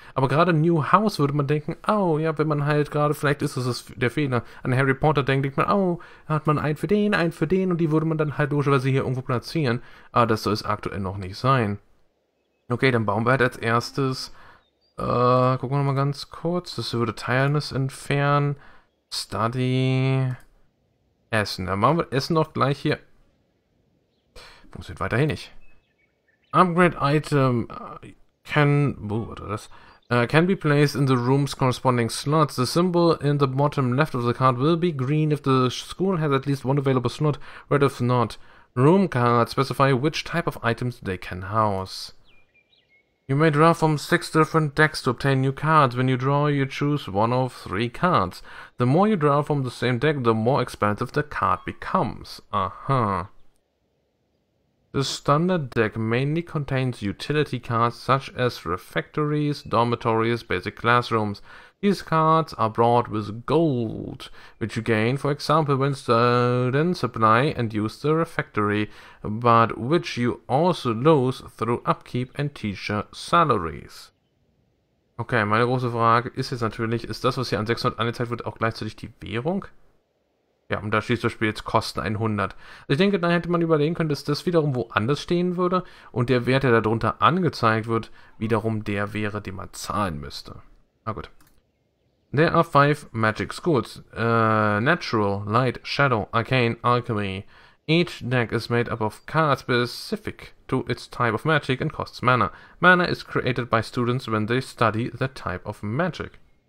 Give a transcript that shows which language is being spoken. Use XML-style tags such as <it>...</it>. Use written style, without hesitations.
<de>Aber gerade New House würde man denken, oh ja, wenn man halt gerade, vielleicht ist das der Fehler, an Harry Potter denkt, denkt man, oh, hat man einen für den und die würde man dann halt logischerweise hier irgendwo platzieren. Aber das soll es aktuell noch nicht sein. Okay, dann bauen wir halt als erstes, gucken wir nochmal ganz kurz, das würde Tiredness entfernen, Study, Essen. Dann machen wir Essen noch gleich hier. Funktioniert weiterhin nicht.</de> <en>Upgrade item can be placed in the room's corresponding slots. The symbol in the bottom left of the card will be green if the school has at least one available slot, red if not. Room cards specify which type of items they can house. You may draw from 6 different decks to obtain new cards. When you draw, you choose one of 3 cards. The more you draw from the same deck, the more expensive the card becomes. The standard deck mainly contains utility cards such as refectories, dormitories, basic classrooms. These cards are bought with gold, which you gain, for example, when students apply and use the refectory, but which you also lose through upkeep and teacher salaries.</en> <de>Okay, meine große Frage ist jetzt natürlich, ist das, was hier an 600 angezeigt wird, auch gleichzeitig die Währung? Ja, und da steht zum Beispiel jetzt Kosten 100. Also ich denke, da hätte man überlegen können, dass das wiederum woanders stehen würde und der Wert, der darunter angezeigt wird, wiederum der wäre, den man zahlen müsste. Na gut.</de> <en>There are 5 magic schools. Natural, Light, Shadow, Arcane, Alchemy. Each deck is made up of cards specific to its type of magic and costs mana. Mana is created by students when they study the type of magic.</en>